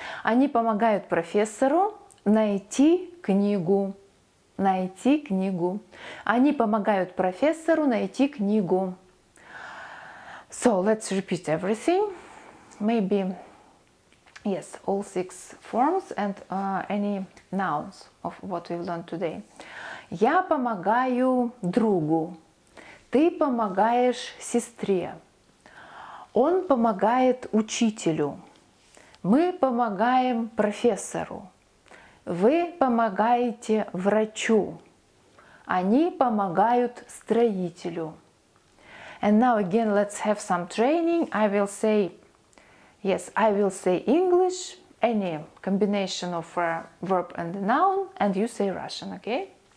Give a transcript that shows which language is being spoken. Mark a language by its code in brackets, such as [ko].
[ru] Они помогают профессору найти книгу. Они помогают профессору найти книгу. [en] So, let's repeat everything. Maybe. Yes, all six forms and any nouns of what we've learned today. [ru] Я помогаю другу. Ты помогаешь сестре. Он помогает учителю. Мы помогаем профессору. Вы помогаете врачу. Они помогают строителю. [en] And now again, let's have some training. I will say English, any combination of a verb and a noun, and you say Russian, okay?